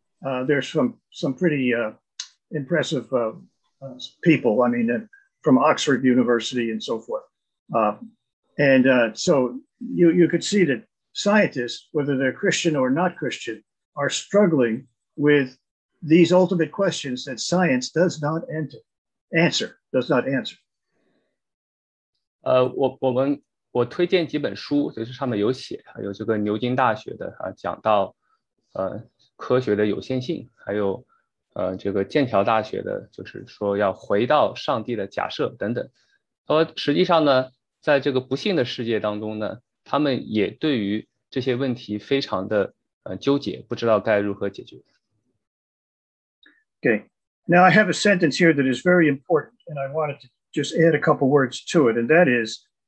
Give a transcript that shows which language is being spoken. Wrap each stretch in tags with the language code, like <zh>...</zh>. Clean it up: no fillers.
<en>There's from some pretty impressive people, I mean, from Oxford University and so forth. And so you could see that scientists, whether they're Christian or not Christian, are struggling with these ultimate questions that science does not answer.</en> <zh>我推荐几本书，就是上面有写，有这个牛津大学的啊，讲到科学的有限性，还有这个剑桥大学的，就是说要回到上帝的假设等等。说实际上呢，在这个不幸的世界当中呢，他们也对于这些问题非常的纠结，不知道该如何解决。</zh> <en>Okay, now I have a sentence here that is very important, and I wanted to just add a couple words to it, and that is.</en>